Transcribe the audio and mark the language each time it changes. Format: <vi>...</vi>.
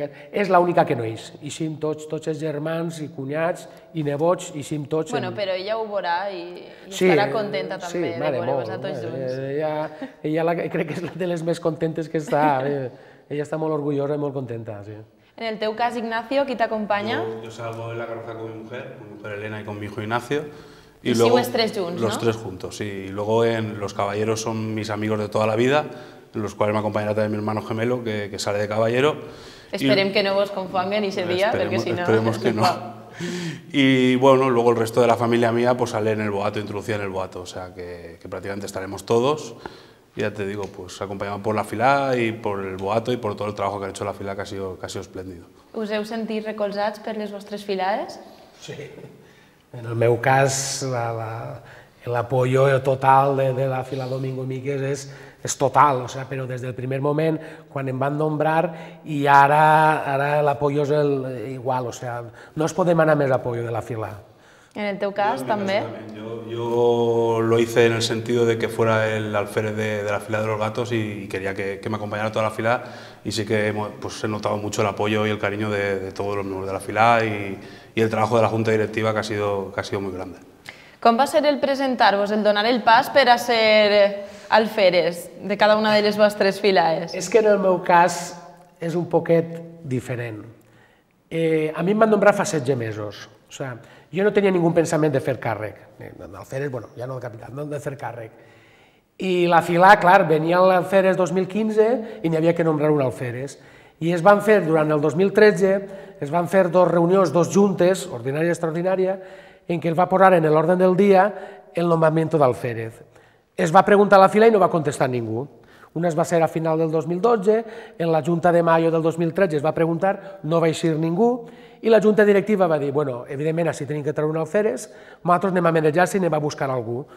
<ca>És l'única que no és. Ixim tots els germans i cunyats i nebots, ixim tots... Bueno, però ella ho veurà i estarà contenta, també, de veure-vos a tots junts. Ella crec que és la de les més contentes que està. Ella està molt orgullosa i molt contenta, sí. En el teu cas, Ignacio, qui t'acompanya?</ca> <es>Jo salgo en la carroza con mi mujer, con mi mujer Elena y con mi hijo Ignacio.</es> <ca>Y sigo els tres junts, no?</ca> <es>Los tres juntos, sí. Y luego los caballeros son mis amigos de toda la vida, en los cuales me acompañará también mi hermano gemelo, que sale de caballero.</es> <ca>Esperem que no vos confonguen ese día,</ca> <es>porque si no... Esperemos que no. Y bueno, luego el resto de la familia mía pues sale en el boato, introducida en el boato. O sea, que prácticamente estaremos todos. Ya te digo, pues acompañado por la fila y por el boato y por todo el trabajo que ha hecho la fila, que ha sido espléndido.</es> <ca>¿Us heu sentit recolzats per les vostres filades? Sí. En el meu cas, l'apoyo total de la fila Domingo Míquez és total, però des del primer moment, quan em van nombrar, i ara l'apoyo és igual, no es podem anar més a apoyo de la fila. En el teu cas, també?</ca> <es>Yo lo hice en el sentido de que fuera el alférez de la fila de los gatos y quería que me acompañara toda la fila, y sí que he notado mucho el apoyo y el cariño de todos los miembros de la fila y el trabajo de la junta directiva, que ha sido muy grande.</es> <ca>Com va ser el presentar-vos, el donar el pas per a ser alférez de cada una de les vostres filades? És que en el meu cas és un poquet diferent. A mi em van nombrar fa 16 mesos.</ca> <es>O sea, yo no tenía ningún pensamiento de hacer càrrec. En Alferes, bueno, ya no de capital, no de hacer càrrec. Y la fila, claro, venía el Alferes 2015 y ni había que nombrar un Alferes.</es> <ca>Y es van fer durant el 2013, es van fer dos reunions, dos juntes, ordinària i extraordinària, en què es va posar en l'ordre del dia el nombramiento d'Alferes. Es va preguntar a la fila i no va contestar ningú. Una es va ser a final del 2012, en la junta de maio del 2013 es va preguntar, no va eixir ningú, i la junta directiva va dir, bueno, evidentment, així tenim que treure un Alferes, nosaltres anem a manejar-se i anem a buscar algú.</ca>